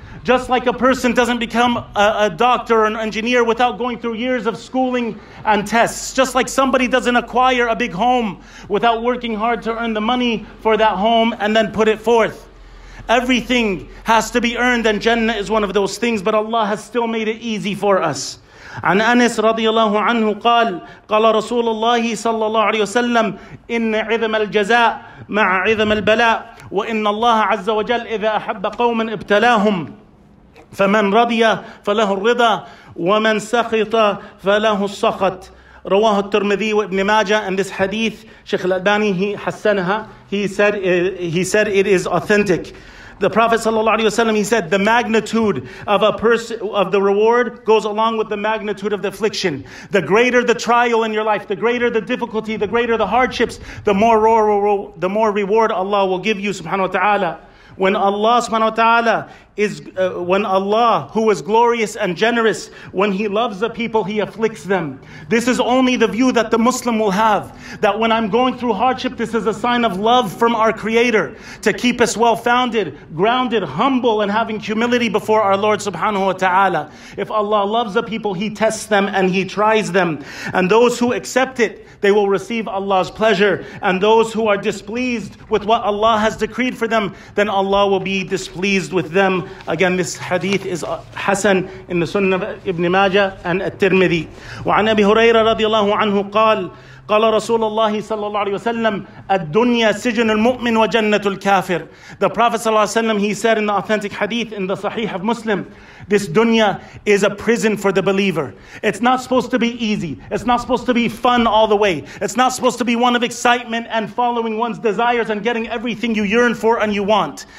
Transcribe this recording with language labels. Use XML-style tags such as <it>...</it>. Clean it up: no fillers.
<en>Just like a person doesn't become a doctor or an engineer without going through years of schooling and tests. Just like somebody doesn't acquire a big home without working hard to earn the money for that home and then put it forth. Everything has to be earned, and Jannah is one of those things, but Allah has still made it easy for us.</en> <ar>عن أنس رضي الله عنه قال قال رسول الله صلى الله عليه وسلم إن عظم الجزاء مع عظم البلاء وإن الله عز وجل إذا أحب قوما ابتلاهم فمن رضي فله الرضا ومن سخط فله السخط. رواه الترمذي وابن ماجه.</ar> <en>And this hadith, Sheikh Al-Albani, he hasanaha, he said it is authentic. The Prophet sallallahu alaihi wasallam, he said, the magnitude of a person of the reward goes along with the magnitude of the affliction. The greater the trial in your life, the greater the difficulty, the greater the hardships, the more reward Allah will give you subhanahu wa ta'ala. When Allah subhanahu wa ta'ala is when Allah, who is glorious and generous, when He loves the people, He afflicts them. This is only the view that the Muslim will have. That when I'm going through hardship, this is a sign of love from our Creator to keep us well-founded, grounded, humble, and having humility before our Lord subhanahu wa ta'ala. If Allah loves the people, He tests them and He tries them. And those who accept it, they will receive Allah's pleasure. And those who are displeased with what Allah has decreed for them, then Allah will be displeased with them. Again, this hadith is Hasan in the Sunnah of Ibn Majah and At-Tirmidhi.</en> <ar>وعن أبي هريرة رضي الله عنه قال قال رسول الله صلى الله عليه وسلم الدنيا سجن المؤمن وجنة الكافر.</ar> <en>The Prophet</en> <ar>صلى الله عليه وسلم,</ar> <en>he said in the authentic hadith in the Sahih of Muslim, this dunya is a prison for the believer. It's not supposed to be easy. It's not supposed to be fun all the way. It's not supposed to be one of excitement and following one's desires and getting everything you yearn for and you want.</en>